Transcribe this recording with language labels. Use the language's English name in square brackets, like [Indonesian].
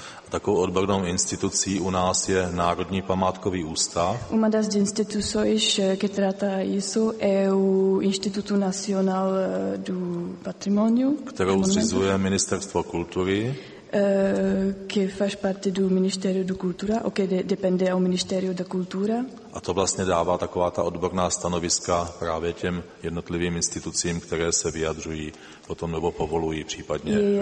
[Czech] Takovou odbornou institucí u nás je Národní památkový ústav. [Portuguese] Uma das instituições que trata isso é o Instituto Nacional do Patrimônio, [Czech] kterou zřizuje Ministerstvo kultury. [Portuguese] Que faz parte do Ministério da Cultura, ou que depende ao Ministério da Cultura. [Czech] A to vlastně dává taková ta odborná stanoviska právě těm jednotlivým institucím, které se vyjadřují potom nebo povolují případně